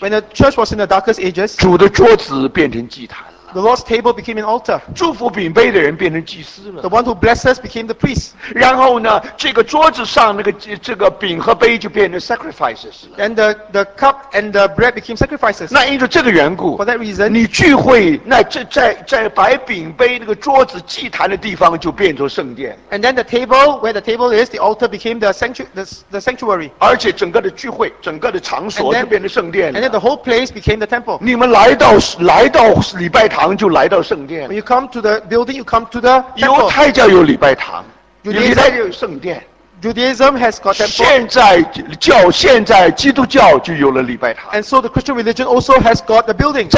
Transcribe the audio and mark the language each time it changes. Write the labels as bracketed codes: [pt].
[en] When the church was in the darkest ages. [zh] 主的桌子变成祭坛。 [en] The Lord's table became an altar. [zh] 祝福饼杯的人变成祭司了。 [en] The one who blessed us became the priest. [zh] 然后呢，这个桌子上那个这个饼和杯就变成 sacrifices 了。 [en] And the cup and the bread became sacrifices. [zh] 那因着这个缘故， [en] For that reason, [zh] 你聚会那这在摆饼杯那个桌子祭坛的地方就变成圣殿。 [en] And then the table where the table is, the altar became the sanctuary. [zh] 而且整个的聚会，整个的场所就变成圣殿了。 [en] And then the whole place became the temple. [zh] 你们来到礼拜堂。就来到圣殿。 [en] When you come to the building, you come to the temple. [zh] 犹太教有礼拜堂， [en] Judaism, [zh] 犹太教有圣殿。 [en] Judaism has got temple. [zh] 现在基督教就有了礼拜堂。 [en] And so the Christian religion also has got the building.